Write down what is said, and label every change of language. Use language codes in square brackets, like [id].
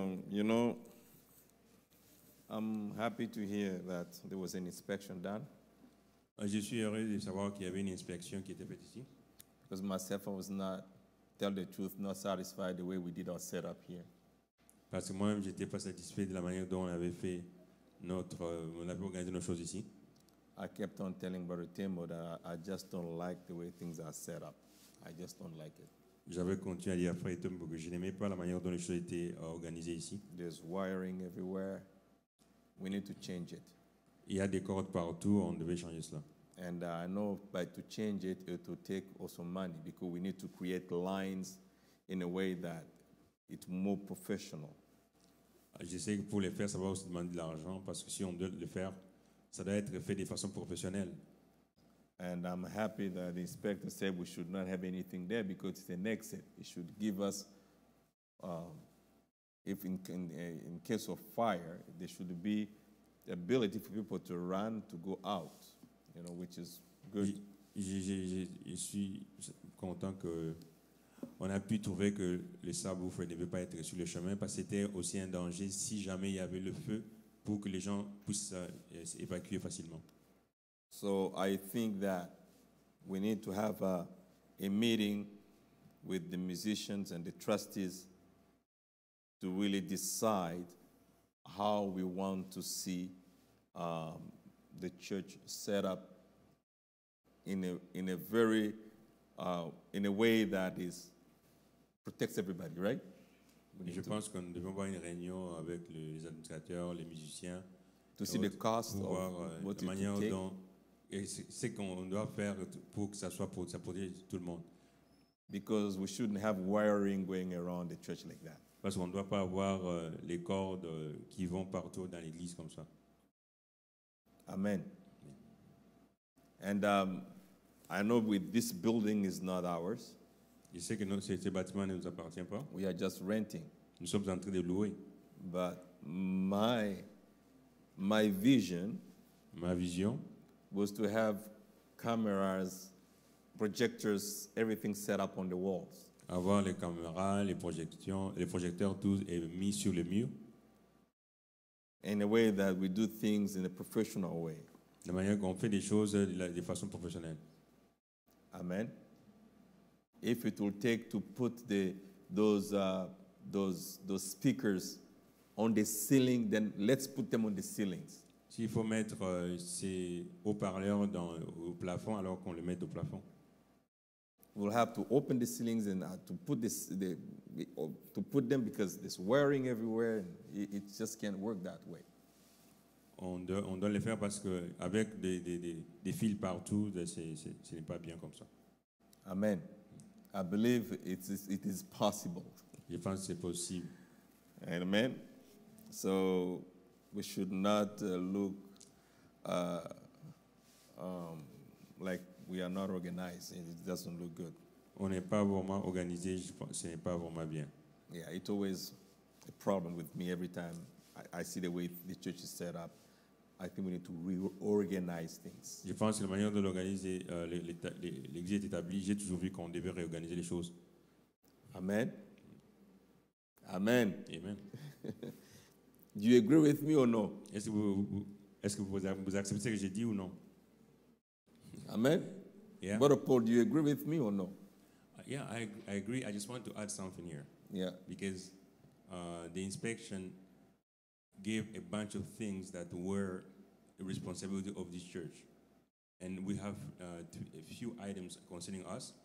[en] You know, I'm happy to hear that there was an inspection done. [fr] Je suis heureux de savoir qu'il y avait une inspection qui était faite ici. [en] Because myself, I was not, tell the truth, not satisfied the way we did our setup here. [fr] Parce que moi-même, j'étais pas satisfait de la manière dont on avait fait notre, on avait organisé nos choses ici. [en] I kept on telling Brother Timo that I just don't like the way things are set up. I just don't like it. [fr] J'avais continué à dire à Frère Tom que je n'aimais pas la manière dont les choses étaient organisées ici. [en] There's wiring everywhere. We need to change it. [fr] Il y a des cordes partout, on devait changer cela. [en] And I know by to change it, it will take also money because we need to create lines in a way that it's more professional. [fr] Je sais que pour les faire, ça va aussi demander de l'argent parce que si on doit le faire, ça doit être fait de façon professionnelle. [en] And I'm happy that the inspector said we should not have anything there because it's an exit. It should give us, if in case of fire, there should be the ability for people to run to go out, you know, which is good. [fr] Je suis content que on a pu trouver que le sable ou feu ne devait pas être sur le chemin parce que c'était aussi un danger si jamais il y avait le feu pour que les gens puissent s'évacuer facilement. [en] So I think that we need to have a meeting with the musicians and the trustees to really decide how we want to see the church set up in a way that is protects everybody, right? [fr] Je pense qu'on devrait avoir une réunion avec les administrateurs, les musiciens, [en] to see the cost of what [fr] la manière dont et c'est qu'on doit faire pour que ça soit pour ça protège tout le monde. [en] Because we shouldn't have wiring going around the church like that. [fr] Parce qu'on ne doit pas avoir les cordes qui vont partout dans l'église comme ça. Amen. [en] And I know with this building is not ours. [fr] Je sais que ce bâtiment ne nous appartient pas. [en] We are just renting. [fr] Nous sommes en train de louer. [en] But my vision. [fr] Ma vision. [en] Was to have cameras, projectors, everything set up on the walls. [fr] Avoir les caméras, les projecteurs, tout est mis sur les murs. [en] In a way that we do things in a professional way. [fr] De manière qu'on fait des choses de façon professionnelle. Amen. [en] If it will take to put those speakers on the ceiling, then let's put them on the ceilings. [fr] S'il faut mettre ces haut-parleurs au plafond, alors qu'on les mette au plafond. [en] We'll have to open the ceilings and to put them because there's wiring everywhere. It just can't work that way. [fr] On doit les faire parce que avec des fils partout, ce n'est pas bien comme ça. [en] Amen. I believe it is possible. [fr] Je pense que c'est possible. Amen. [en] So we should not look like we are not organized. It doesn't look good. [fr] On n'est pas vraiment organisé. Je pense, ce n'est pas vraiment bien. [en] Yeah, it's always a problem with me every time I see the way the church is set up. I think we need to reorganize things. [fr] Je pense que la manière de l'organiser, l'église est établie. J'ai toujours vu qu'on devait réorganiser les choses. Amen. Amen. Amen. [en] Do you agree with me or no? [fr] Est-ce que vous acceptez ce que j'ai dit ou non? Amen. [en] Yeah. Brother Paul, do you agree with me or no? Yeah, I agree. I just want to add something here. Yeah. Because the inspection gave a bunch of things that were the responsibility of this church. And we have a few items concerning us.